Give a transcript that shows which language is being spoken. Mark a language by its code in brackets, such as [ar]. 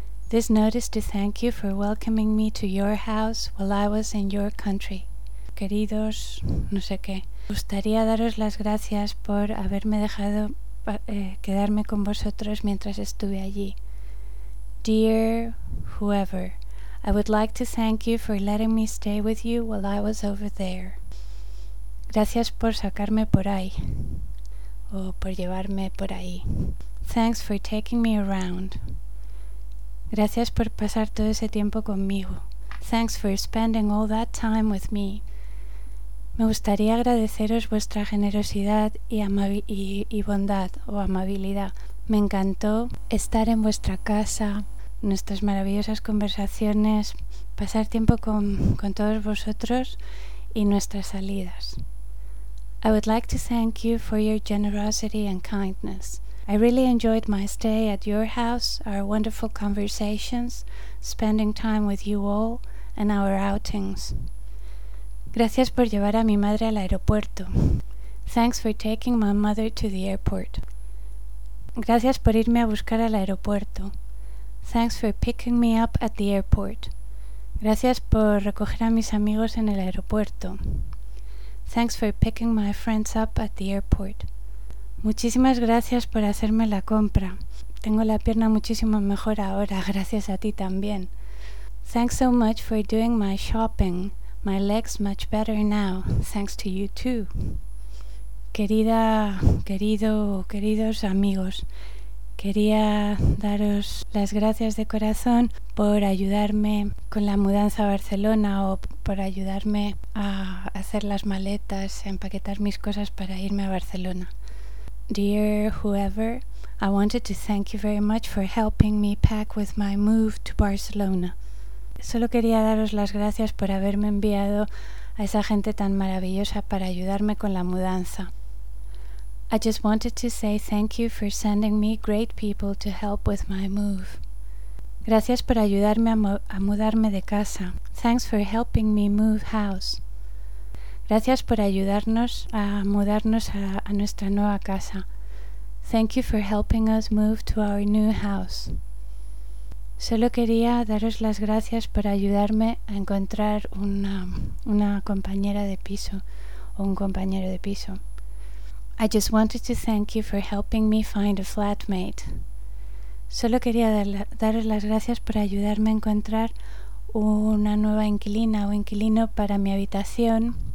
[en] This note is to thank you for welcoming me to your house while I was in your country. [es] Queridos, no sé qué. Gustaría daros las gracias por haberme dejado quedarme con vosotros mientras estuve allí. [en] Dear whoever, I would like to thank you for letting me stay with you while I was over there. [es] Gracias por sacarme por ahí, o por llevarme por ahí. [en] Thanks for taking me around. [es] Gracias por pasar todo ese tiempo conmigo. [en] Thanks for spending all that time with me. [es] Me gustaría agradeceros vuestra generosidad y bondad o amabilidad. Me encantó estar en vuestra casa, nuestras maravillosas conversaciones, pasar tiempo con todos vosotros y nuestras salidas. [en] I would like to thank you for your generosity and kindness. I really enjoyed my stay at your house, our wonderful conversations, spending time with you all, and our outings. [es] Gracias por llevar a mi madre al aeropuerto. [en] Thanks for taking my mother to the airport. [es] Gracias por irme a buscar al aeropuerto. [en] Thanks for picking me up at the airport. [es] Gracias por recoger a mis amigos en el aeropuerto. [en] Thanks for picking my friends up at the airport. [es] Muchísimas gracias por hacerme la compra. Tengo la pierna muchísimo mejor ahora, gracias a ti también. [en] Thanks so much for doing my shopping. My leg's much better now, thanks to you too. [es] Querida, querido, queridos amigos, quería daros las gracias de corazón por ayudarme con la mudanza a Barcelona o por ayudarme a hacer las maletas, a empaquetar mis cosas para irme a Barcelona. [en] Dear whoever, I wanted to thank you very much for helping me pack with my move to Barcelona. [es] Solo quería daros las gracias por haberme enviado a esa gente tan maravillosa para ayudarme con la mudanza. [en] I just wanted to say thank you for sending me great people to help with my move. [es] Gracias por ayudarme a mudarme de casa. [en] Thanks for helping me move house. [es] Gracias por ayudarnos a mudarnos a nuestra nueva casa. [en] Thank you for helping us move to our new house. [es] Solo quería daros las gracias por ayudarme a encontrar una compañera de piso o un compañero de piso. [en] I just wanted to thank you for helping me find a flatmate. [es] Solo quería daros las gracias por ayudarme a encontrar una nueva inquilina o inquilino para mi habitación.